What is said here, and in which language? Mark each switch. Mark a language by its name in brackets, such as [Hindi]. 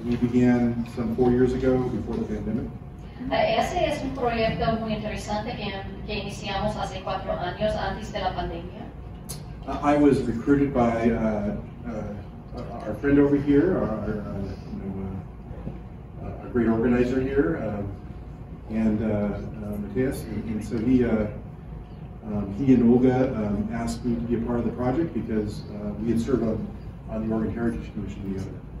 [English] We began some 4 years ago, before the pandemic. [Spanish] Ese es un proyecto muy interesante que iniciamos hace 4 años antes de la pandemia. [English] I was recruited by our friend over here, our great organizer here. Mateus, and so he and Olga asked me to be a part of the project because we had served on the Oregon Heritage Commission together.